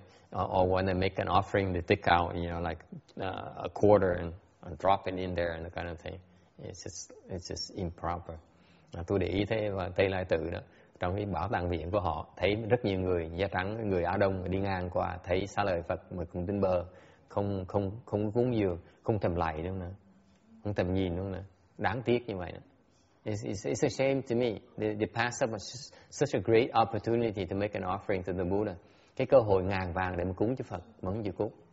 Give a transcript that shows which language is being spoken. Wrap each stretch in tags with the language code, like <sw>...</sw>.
<en>Or when they make an offering, they take out a quarter and drop it in there and that kind of thing. It's just improper.</en> <vi>Tôi để ý thế và Tây Lai Tự đó, trong cái bảo tàng viện của họ, thấy rất nhiều người da trắng, người Á Đông đi ngang qua, thấy xá lợi Phật mà cũng tin bơ, không cúng dường, không thèm lạy đâu nữa, không thèm nhìn đâu nữa, đáng tiếc như vậy đó.</vi> <en>It's a shame to me. They pass up such a great opportunity to make an offering to the Buddha.</en> <vi>Cái cơ hội ngàn vàng để mà cúng cho Phật, mà không chịu cúng.</vi>